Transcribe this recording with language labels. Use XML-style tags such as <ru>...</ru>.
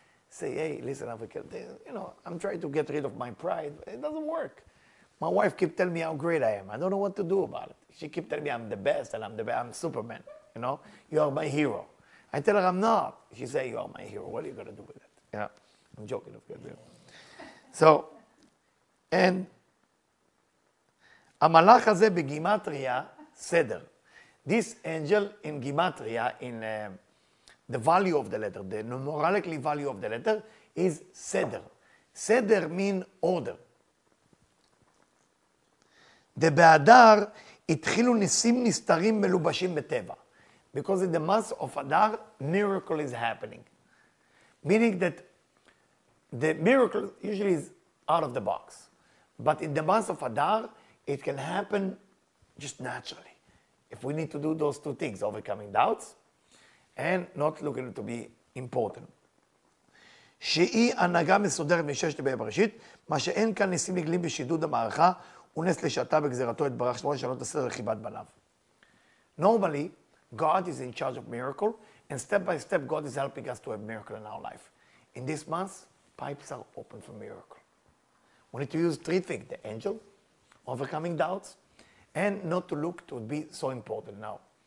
<en>Say, hey, listen, I'm trying to get rid of my pride. It doesn't work. My wife keeps telling me how great I am. I don't know what to do about it. She keeps telling me I'm the best and I'm Superman. You know, you are my hero. I tell her I'm not. She says, you are my hero. What are you going to do with it? Yeah, I'm joking, of course. So, and</en> <he>המלאך הזה בגימטריה, סדר.</he> <en>This angel in gematria, in the value of the letter, the numerically value of the letter, is סדר. סדר mean order.</en> <he>ובאדר התחילו ניסים נסתרים מלובשים בטבע.</he> <en>Because in the month of Adar, miracle is happening. Meaning that the miracle usually is out of the box. But in the month of Adar, it can happen just naturally. If we need to do those two things, overcoming doubts and not looking to be important.</en> <he>שהיא הנהגה מסודרת מששת ימי בראשית, מה שאין כאן ניסים נגלים בשידוד המערכה, הוא נס לשעתה בגזירתו את ברך שמונה שנות הסדר לחיבת בניו.</he> <en>Normally, God is in charge of miracle, and step by step, God is helping us to have miracle in our life. In this month, pipes are open for miracle. We need to use three things, the angel, overcoming doubts, and not to look to be so important now.</en>